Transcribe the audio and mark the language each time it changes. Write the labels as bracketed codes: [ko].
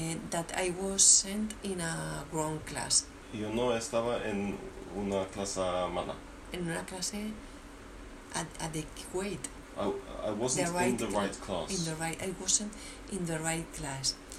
[en] That I was sent in a wrong class. [es] Yo no estaba en una clase mala. En una clase [en] adequate. I wasn't the right in the right class. In the right, I wasn't in the right class.